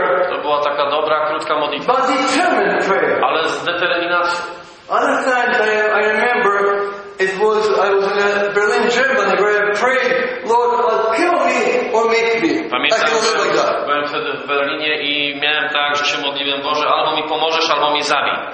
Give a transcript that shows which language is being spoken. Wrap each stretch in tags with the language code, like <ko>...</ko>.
<pl>To była taka dobra, krótka modlitwa. Ale z determinacją.</pl> <en>Other times I remember it was I was in Berlin, Germany, where I prayed, Lord, kill me or make me.</en> <pl>Pamiętam,</pl> <en>I can't remember like that.</en> <pl>Byłem wtedy w Berlinie i miałem tak, że się modliłem, Boże, albo mi pomożesz, albo mi zabij.</pl>